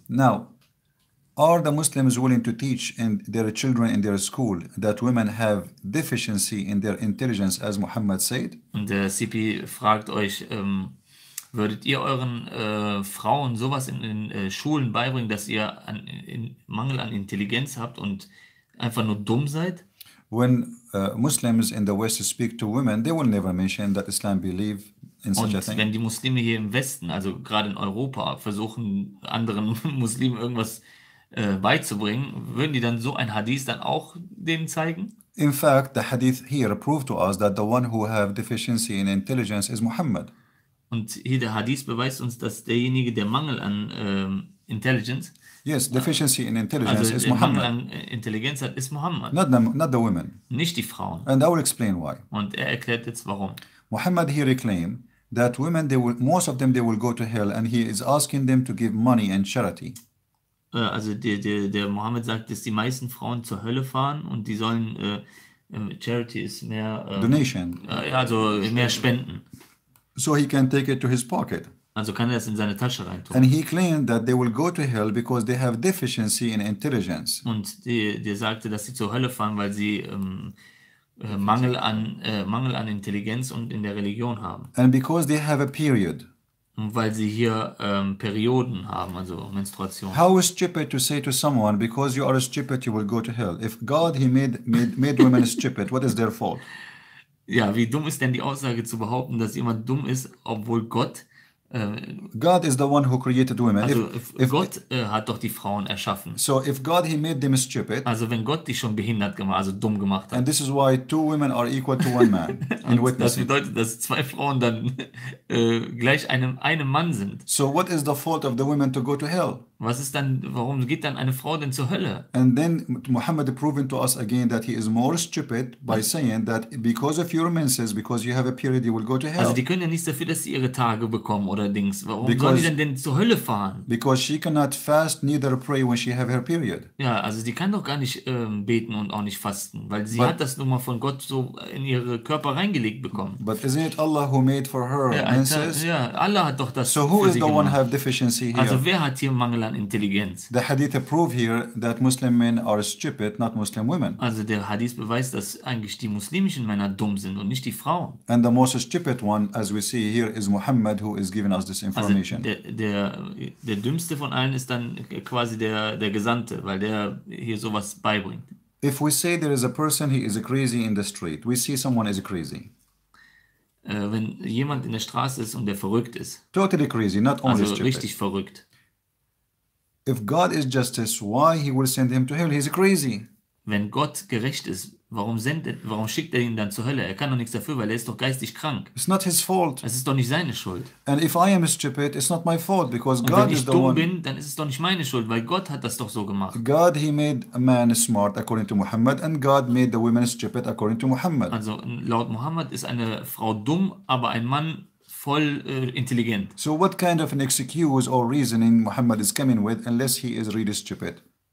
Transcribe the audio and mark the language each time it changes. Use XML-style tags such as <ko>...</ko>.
<en>Now, are the Muslims willing to teach in their children in their school that women have deficiency in their intelligence, as Muhammad said?</en> <de>Und der CP fragt euch, würdet ihr euren Frauen sowas in den Schulen beibringen, dass ihr einen Mangel an Intelligenz habt und einfach nur dumm seid?</de> <en>When Muslims in the West speak to women, they will never mention that Islam believe.</en> <de>Und wenn die Muslime hier im Westen, also gerade in Europa, versuchen anderen Muslimen irgendwas beizubringen, würden die dann so ein Hadith dann auch denen zeigen?</de> <en>In fact, the Hadith here proved to us that the one who have deficiency in intelligence is Muhammad.</en> <de>Und hier der Hadith beweist uns, dass derjenige, der Mangel an Intelligence,</de> <en>yes, deficiency in intelligence</en> <de>also</de> <en>is Muhammad.</en> <de>Mangel an Intelligenz hat, ist Muhammad.</de> <en>Not the women.</en> <de>Nicht die Frauen.</de> <en>And I will explain why.</en> <de>Und er erklärt jetzt warum.</de> <en>Muhammad here claim that women, they will, most of them, they will go to hell, and he is asking them to give money and charity.</en> <de>Also der Mohammed sagt, dass die meisten Frauen zur Hölle fahren und die sollen Charity ist mehr</de> <en>Donation.</en> <de>Also mehr Spenden.</de> <en>So he can take it to his pocket.</en> <de>Also kann er es in seine Tasche reintun.</de> <en>And he claimed that they will go to hell because they have deficiency in intelligence.</en> <de>Und der sagte, dass sie zur Hölle fahren, weil sie Mangel an Intelligenz und in der Religion haben.</de> <en>And because they have a period.</en> <de>Und weil sie hier Perioden haben, also Menstruation.</de> <en>How stupid to say to someone, because you are stupid, you will go to hell. If God, he made women stupid, what is their fault?</en> <de>Ja, wie dumm ist denn die Aussage zu behaupten, dass jemand dumm ist, obwohl Gott...</de> <en>God is the one who created women.</en> <de>Also if Gott hat doch die Frauen erschaffen.</de> <en>So if God, he made them stupid...</en> <de>Also wenn Gott dich schon behindert gemacht, also dumm gemacht hat.</de> <en>And this is why two women are equal to one man.</en> <de>In das bedeutet, dass zwei Frauen dann gleich einem Mann sind.</de> <en>So what is the fault of the women to go to hell?</en> <de>Was ist dann, warum geht dann eine Frau denn zur Hölle?</de> <en>And then Muhammad proving to us again that he is more stupid by saying that because of your menses, because you have a period, you will go to hell.</en> <de>Also die können ja nichts dafür, dass sie ihre Tage bekommen oder Dings. Warum sollen die denn zur Hölle fahren?</de> <en>Because she cannot fast neither pray when she have her period.</en> <de>Ja, also sie kann doch gar nicht beten und auch nicht fasten, weil sie hat das nun mal von Gott so in ihre Körper reingelegt bekommen.</de> <en>But isn't it Allah who made for her menses?</en> <de>Ja, Allah hat doch das so für sie gemacht.</de> <en>So who is the one have deficiency here?</en> <de>Also wer hat hier Mangel? Intelligenz.</de> <en>The Hadith prove here that Muslim men are stupid, not Muslim women.</en> <de>Also der Hadith beweist, dass eigentlich die muslimischen Männer dumm sind und nicht die Frauen.</de> <en>And the most stupid one, as we see here, is Muhammad, who is giving us this information.</en> <de>Also der dümmste von allen ist dann quasi der Gesandte, weil der hier sowas beibringt.</de> <en>If we say there is a person, he is crazy in the street, we see someone is crazy.</en> <de>Wenn jemand in der Straße ist und der verrückt ist.</de> <en>Totally crazy, not only</en> <de>also</de> <en>stupid.</en> <de>Also richtig verrückt.</de> <en>If God is justice, why he will send him to hell? He's crazy.</en> <de>Wenn Gott gerecht ist, warum schickt er ihn dann zur Hölle? Er kann doch nichts dafür, weil er ist doch geistig krank.</de> <en>It's not his fault.</en> <de>Es ist doch nicht seine Schuld.</de> <en>And if I am stupid, it's not my fault because</en> <de>Und</de> <en>God</en> <de>wenn ich</de> <en>is the</en> <de>dumm</de> <en>one.</en> <de>Bin, dann ist es doch nicht meine Schuld, weil Gott hat das doch so gemacht.</de> <en>God he made a man smart according to Muhammad and God made the women stupid according to Muhammad.</en> <de>Also laut Muhammad ist eine Frau dumm, aber ein Mann voll intelligent.</de> <en>So what kind of an excuse or reasoning Muhammad is coming with unless he is really stupid?</en>